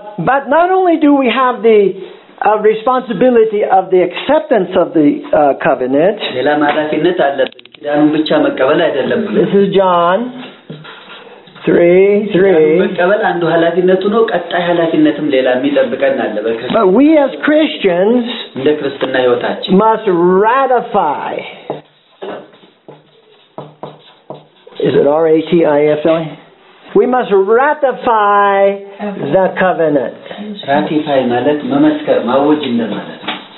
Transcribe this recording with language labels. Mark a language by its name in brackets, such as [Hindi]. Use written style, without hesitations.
[English] but not only do we have the a responsibility of the acceptance of the covenant [Amharic] ሌላ ማራፊነት አለ ኪዳኑን ብቻ መቀበል አይደለም [English] This is John 3:3 [Amharic] መቀበል አንዱ ኃላፊነቱ ነው ቀጣይ ኃላፊነቱም ሌላ የሚጠብቀን አለ [English] But we as Christians [Amharic] እንደ ክርስቲና ህይወታችን [English] must ratify Is it R-A-T-I-F-Y? We must ratify the covenant. [Amharic] Ratify ማለት መመስከር ማወጅ ማለት ነው።